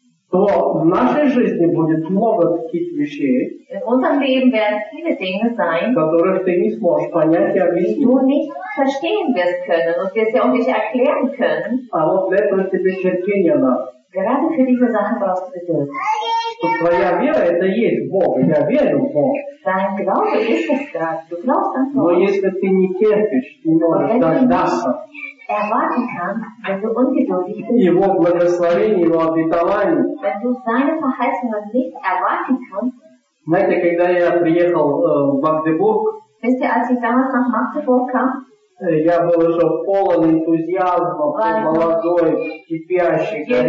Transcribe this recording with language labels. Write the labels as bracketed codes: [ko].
[ru] То в нашей жизни будет много таких вещей, [de] sein, [ru] которых ты не сможешь понять и объяснить. [de] Du nicht verstehen wirst können und wir sie auch nicht erklären können. [ru] А вот для этого тебе терпение надо. [de] Gerade für diese Sachen brauchst du Geduld. [ru] Что твоя вера это есть Бог. Я верю в Бог. [de] Dein Glaube ist es gerade. Du glaubst an Gott. [ru] Но если ты не терпишь, ты можешь дождаться. [de] Erwarten kann, wenn du ungeduldig bist. [ru] Его благословение, его обетование. [de] Wenn du seine Verheißungen nicht erwarten kannst. [ru] Знаете, когда я приехал в Магдебург. [de] Wisst ihr, als ich damals nach Magdeburg kam? [ru] Я был уже полон энтузиазма, молодой, кипящий,